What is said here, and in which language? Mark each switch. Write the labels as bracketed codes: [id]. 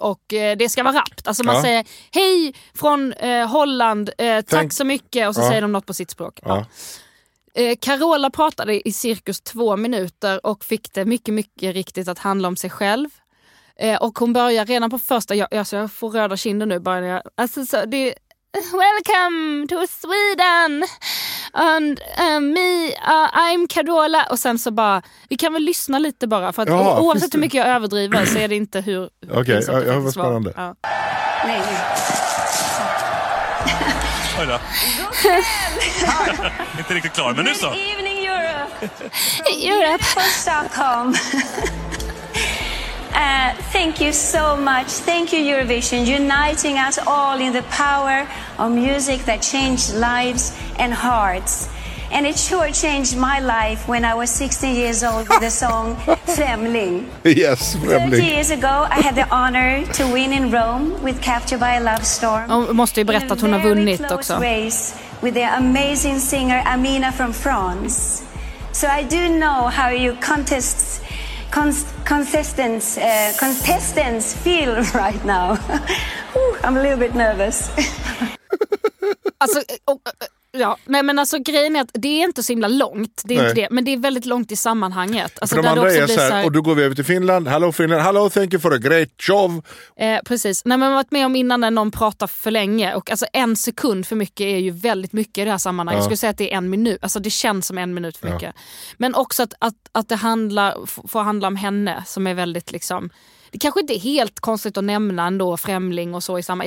[sv] Och det ska vara rappt. Alltså man säger hej från Holland. Tack så mycket. Och så säger de något på sitt språk. Ja. Carola pratade i cirkus 2 minuter. Och fick det mycket, mycket riktigt att handla om sig själv. Och hon börjar redan på första... Alltså jag får röda kinder nu. Bara när jag, alltså så, det är... [en] Welcome to Sweden and I'm Carola. [sv] Och sen så bara, vi kan väl lyssna lite bara, för att oavsett hur mycket jag överdriver så är det inte hur... Okej, okay, jag var spännande. Ja. Nej. Oj då. Inte riktigt klar, men nu så. [en] Good evening Europe. Europe. Stockholm. thank you so much. Thank you, Eurovision, uniting us all in the power of music that changed lives and hearts. And it sure changed my life when I was 16 years old with the song Främling. Yes, Främling. 30 years ago I had the honor to win in Rome with Captured by a Love Storm. [sv] Hon måste ju berätta att hon har vunnit också. [en] In a very close race with the amazing singer Amina from France. So I do know how you contestants feel right now. I'm a little bit nervous. [sv] Alltså, ja, nej, men alltså grejen är att det är inte så himla långt, det är inte det, men det är väldigt långt i sammanhanget. Alltså, för de där andra också är så här, och då går vi över till Finland. [en] Hello Finland, hello, thank you for a great job. [sv] Precis, nej, men man har varit med om innan när någon pratar för länge, och alltså en sekund för mycket är ju väldigt mycket i det här sammanhanget. Jag skulle säga att det är en minut, alltså det känns som en minut för mycket. Men också att det handlar, får handla om henne, som är väldigt liksom... Det kanske inte är helt konstigt att nämna ändå Främling och så i samma...